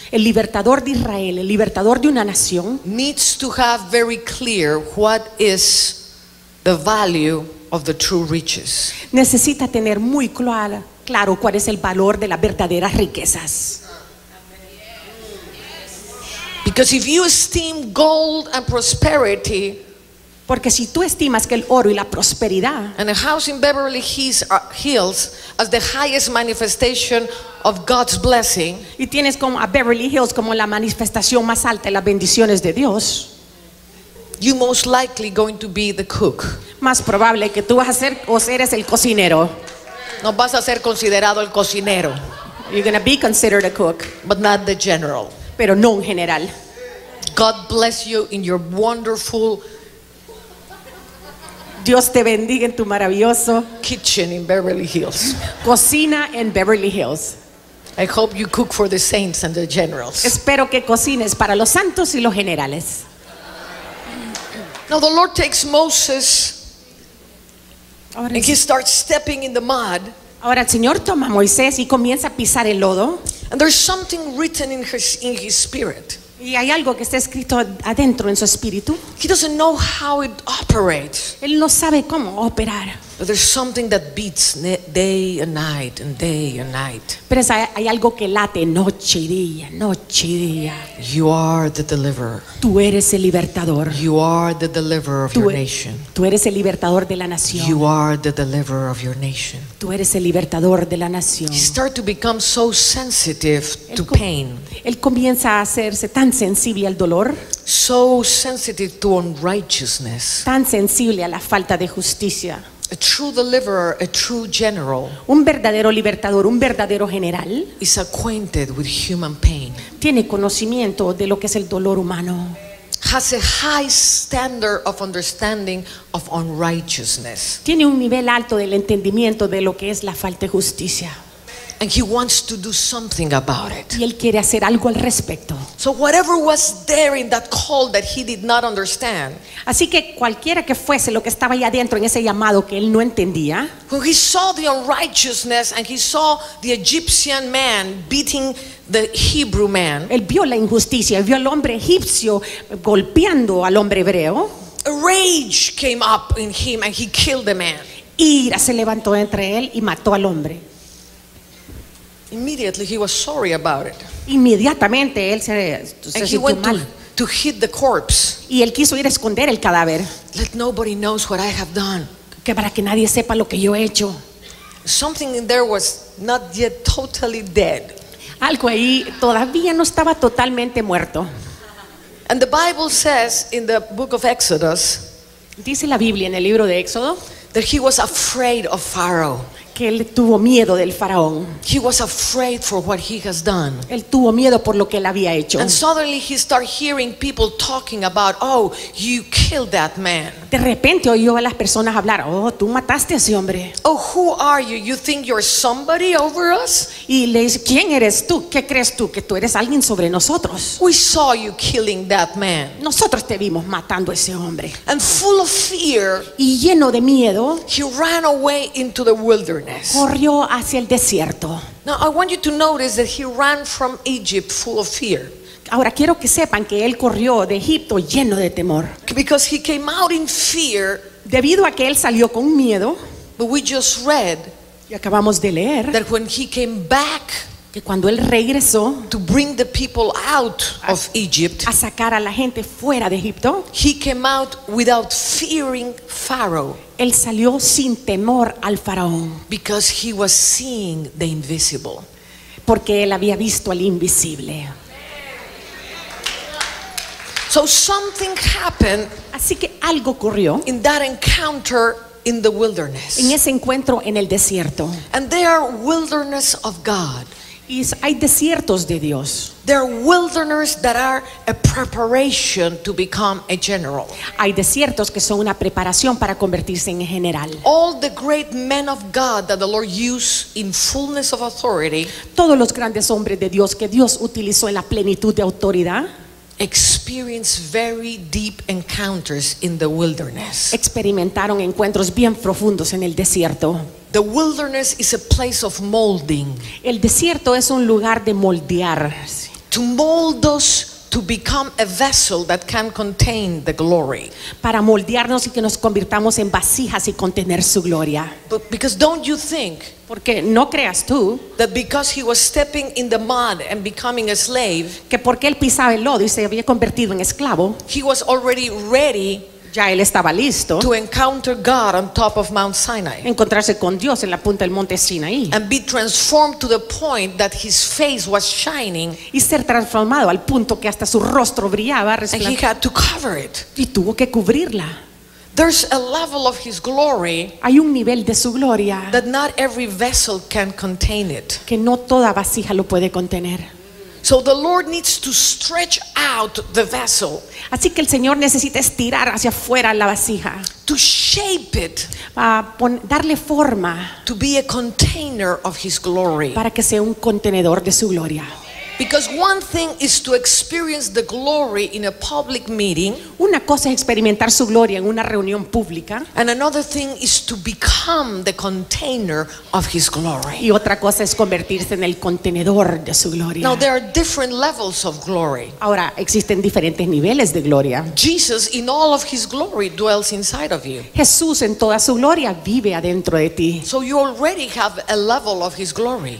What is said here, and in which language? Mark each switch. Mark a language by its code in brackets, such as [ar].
[es] El libertador de Israel, el libertador de una nación, [en] needs to have very clear what is the value of the true riches. [es] Necesita tener muy claro cuál es el valor de las verdaderas riquezas. [en] Because if you esteem gold and prosperity. [es] Porque si tú estimas que el oro y la prosperidad, [en] and a house in Beverly Hills as the highest manifestation of God's blessing, [es] y tienes como a Beverly Hills como la manifestación más alta de las bendiciones de Dios, [en] you most likely going to be the cook. [es] Más probable que tú vas a ser o eres el cocinero. No vas a ser considerado el cocinero. [en] You're going to be considered a cook, but not the general. [es] Pero no un general. [en] God bless you in your wonderful. [es] Dios te bendiga en tu maravilloso [en] kitchen in Beverly Hills. [es] Cocina en Beverly Hills. [en] I hope you cook for the saints and the generals. [es] Espero que cocines para los santos y los generales. [en] Now the Lord takes Moses and he starts stepping in the mud. [es] Ahora el Señor toma a Moisés y comienza a pisar el lodo. [en] And there's something written in his spirit. [es] Y hay algo que está escrito adentro en su espíritu. [en] He doesn't know how it operates. [es] Él no sabe cómo operar. [en] But there's something that beats day and night and day and night. [es] Pero hay algo que late noche y día, noche y día. [en] You are the deliverer. [es] Tú eres el libertador. [en] You are the deliverer of your nation. [es] Tú eres el libertador de la nación. [en] You are the deliverer of your nation. [es] Tú eres el libertador de la nación. [en] He starts to become so sensitive to pain. [es] Él comienza a hacerse tan sensible al dolor. [en] So sensitive to unrighteousness. [es] Tan sensible a la falta de justicia. [en] A true deliverer, a true general. [es] Un verdadero libertador, un verdadero general. [en] Is acquainted with human pain. [es] Tiene conocimiento de lo que es el dolor humano. [en] Has a high standard of understanding of unrighteousness. [es] Tiene un nivel alto del entendimiento de lo que es la falta de justicia. [en] And he wants to do something about it. [es] Y él quiere hacer algo al respecto. [en] So whatever was there in that call that he did not understand. [es] Así que cualquiera que fuese lo que estaba allá dentro en ese llamado que él no entendía. [en] When he saw the unrighteousness and he saw the Egyptian man beating the Hebrew man. [es] Él vio la injusticia, vio al hombre egipcio golpeando al hombre hebreo. [en] A rage came up in him and he killed the man. [es] Ira se levantó entre él y mató al hombre. [en] Immediately he was sorry about it. [es] Inmediatamente él se sintió mal. [en] To hit the corpse. [es] Y él quiso ir a esconder el cadáver. [en] Let nobody knows what I have done. [es] Que para que nadie sepa lo que yo he hecho. [en] Something in there was not yet totally dead. [es] Algo ahí todavía no estaba totalmente muerto. [en] And the Bible says in the book of Exodus. [es] Dice la Biblia en el libro de Éxodo. [en] That he was afraid of Pharaoh. [es] Que él tuvo miedo del faraón. [en] He was afraid for what he has done. [es] Él tuvo miedo por lo que él había hecho. [en] And suddenly he started hearing people talking about, oh, you killed that man. [es] De repente oyó a las personas hablar, oh, tú mataste a ese hombre. [en] Oh, who are you? You think you're somebody over us? [es] Y le dice, ¿quién eres tú? ¿Qué crees tú? Que tú eres alguien sobre nosotros. [en] We saw you killing that man. [es] Nosotros te vimos matando a ese hombre. [en] And full of fear, [es] y lleno de miedo, [en] he ran away into the wilderness. [es] Corrió hacia el desierto. [en] Now I want you to notice that he ran from Egypt full of fear. [es] Ahora quiero que sepan que él corrió de Egipto lleno de temor. [en] Because he came out in fear. [es] Debido a que él salió con miedo. [en] But we just read. [es] Y acabamos de leer. [en] That when he came back. [es] Que cuando él regresó. [en] To bring the people out of Egypt. [es] A sacar a la gente fuera de Egipto. [en] He came out without fearing Pharaoh. [es] Él salió sin temor al faraón. [en] Because he was seeing the invisible. [es] Porque él había visto al invisible. [en] So something happened. [es] Así que algo ocurrió. [en] In that encounter in the wilderness. [es] En ese encuentro en el desierto. [en] And there are wilderness of God. [es] Y hay desiertos de Dios. [en] There are wilderness that are a preparation to become a general. [es] Hay desiertos que son una preparación para convertirse en general. [en] All the great men of God that the Lord used in fullness of authority. [es] Todos los grandes hombres de Dios que Dios utilizó en la plenitud de autoridad. [en] Experience very deep encounters in the wilderness. [es] Experimentaron encuentros bien profundos en el desierto. [en] The wilderness is a place of molding. [es] El desierto es un lugar de moldear. [en] To mold us to become a vessel that can contain the glory. [es] Para moldearnos y que nos convirtamos en vasijas y contener su gloria. [en] But because don't you think? [es] Porque no creas tú. [en] That because he was stepping in the mud and becoming a slave. [es] Que porque él pisaba el lodo y se había convertido en esclavo. [en] He was already ready. [es] Ya él estaba listo. [en] To encounter God on top of Mount Sinai. [es] Encontrarse con Dios en la punta del monte Sinaí. [en] And be transformed to the point that his face was shining. [es] Y ser transformado al punto que hasta su rostro brillaba. [en] And he had to cover it. [es] Y tuvo que cubrirla. [en] There's a level of his glory. [es] Hay un nivel de su gloria. [en] That not every vessel can contain it. [es] Que no toda vasija lo puede contener. [en] So the Lord needs to stretch out the vessel. [es] Así que el Señor necesita estirar hacia afuera la vasija. [en] To shape it. [es] Darle forma. [en] To be a container of his glory. [es] Para que sea un contenedor de su gloria. [en] Because one thing is to experience the glory in a public meeting. [es] Una cosa es experimentar su gloria en una reunión pública. [en] And another thing is to become the container of his glory. [es] Y otra cosa es convertirse en el contenedor de su gloria. [en] Now there are different levels of glory. [es] Ahora existen diferentes niveles de gloria. [en] Jesus in all of his glory dwells inside of you. [es] Jesús en toda su gloria vive adentro de ti. [en] So you already have a level of his glory.